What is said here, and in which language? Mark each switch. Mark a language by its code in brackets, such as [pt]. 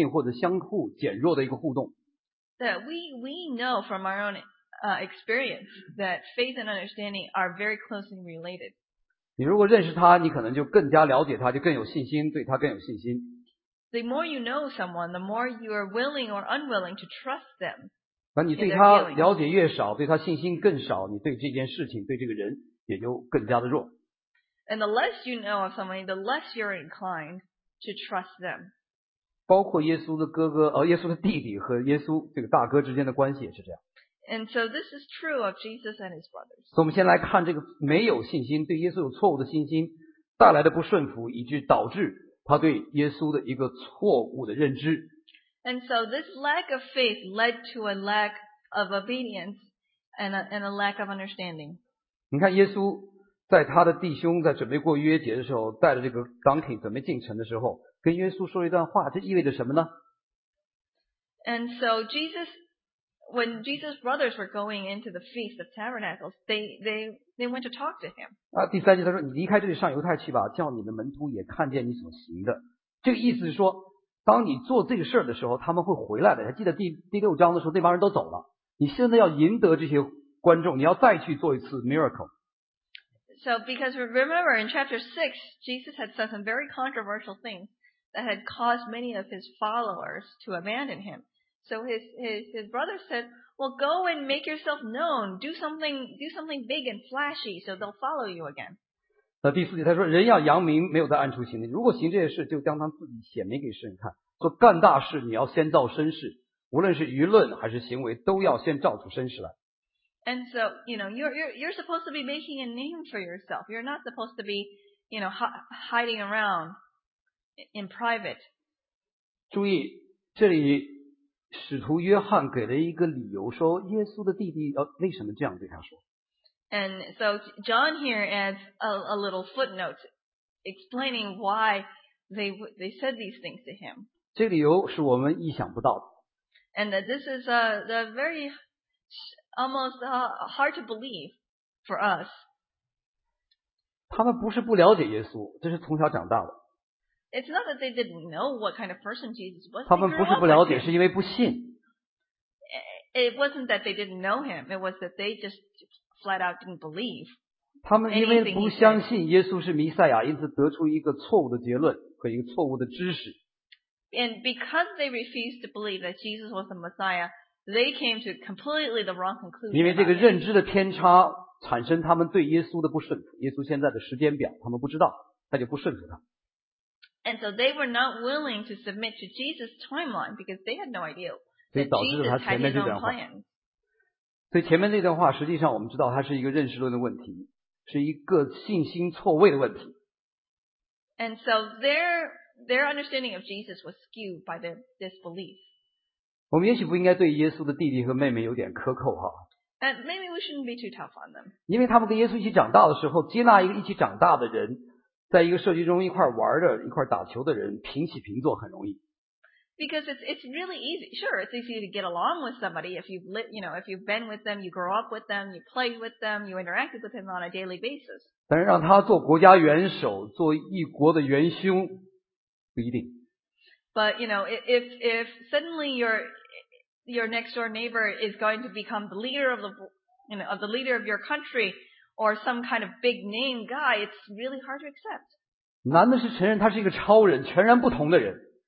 [zh] 在我们的日常生活中，我们都其实了解信心和认知之间彼此有一个相互促进或者相互减弱的一个互动。 [en] That we know from our own experience that faith and understanding are very closely related. [zh] 你如果认识他, 你可能就更加了解他, 就更有信心, 对他更有信心。 [en] The more you know someone, the more you are willing or unwilling to trust them. [zh] 你对他了解越少, 对他信心更少, 你对这件事情, 对这个人也就更加的弱。 [en] And the less you know of someone, the less you're inclined to trust them. [zh] 包括耶稣的哥哥, 耶稣的弟弟和耶稣这个大哥之间的关系也是这样。 [en] And so this is true of Jesus and his brothers. [zh] 所以我们先来看这个没有信心, 对耶稣有错误的信心, 带来的不顺服, 以致导致他对耶稣的一个错误的认知。 [en] And so this lack of faith led to a lack of obedience and a lack of understanding. [zh] 你看耶稣, 在他的弟兄在准备过逾越节的时候，带着这个 donkey 准备进城的时候，跟耶稣说了一段话，这意味着什么呢？ [en] And so Jesus, when Jesus' brothers were going into the Feast of Tabernacles, they went to talk to him. [zh] 啊，第三节他说：“你离开这里上犹太去吧，叫你的门徒也看见你所行的。” 这个意思是说，当你做这个事儿的时候，他们会回来的。还记得第六章的时候，那帮人都走了。你现在要赢得这些观众，你要再去做一次 miracle。 [en] So because remember in chapter 6, Jesus had said some very controversial things that had caused many of his followers to abandon him. So his brother said, well, go and make yourself known. Do something big and flashy so they'll follow you again. [zh] 那第四节他说人要扬名没有在暗处行的。如果行这些事就当当自己显明给世人看。说干大事你要先造身世。无论是舆论还是行为都要先造出身世来。 [en] And so, you know, you're supposed to be making a name for yourself. You're not supposed to be, you know, hiding around in private. [zh] 注意，这里使徒约翰给了一个理由，说耶稣的弟弟，为什么这样对他说？ [en] And so John here adds a little footnote explaining why they said these things to him. [zh] 这个理由是我们意想不到的。 [en] And that this is the very... Almost hard to believe for us. [zh] 他们不是不了解耶稣，这是从小长大的。 [en] It's not that they didn't know what kind of person Jesus was. [zh] 他们不是不了解，是因为不信。 [en] It wasn't that they didn't know him. It was that they just flat out didn't believe. [zh] 他们因为不相信耶稣是弥赛亚，因此得出一个错误的结论和一个错误的知识。 [en] And because they refused to believe that Jesus was the Messiah. They came to completely the wrong conclusion. [zh] 因为这个认知的偏差产生他们对耶稣的不顺服，耶稣现在的时间表他们不知道，他就不顺服他。 [en] And so they were not willing to submit to Jesus' timeline because they had no idea. [zh] 所以导致了他前面这段话。所以前面那段话实际上我们知道它是一个认识论的问题，是一个信心错位的问题。 [en] And so their understanding of Jesus was skewed by their disbelief. [zh] 我们也许不应该对耶稣的弟弟和妹妹有点苛扣哈。 [en] And maybe we shouldn't be too tough on them. [zh] 因为他们跟耶稣一起长大的时候，接纳一个一起长大的人，在一个社区中一块玩的、一块打球的人，平起平坐很容易。 [en] Because it's really easy. Sure, it's easy to get along with somebody if you've been with them, you grow up with them, you play with them, you interact with them on a daily basis. [zh] 但是让他做国家元首、做一国的元勋，不一定。 [en] But you know, if suddenly your next door neighbor is going to become the leader of the leader of your country or some kind of big name guy, it's really hard to accept. [zh] 男的是承认他是一个超人，全然不同的人。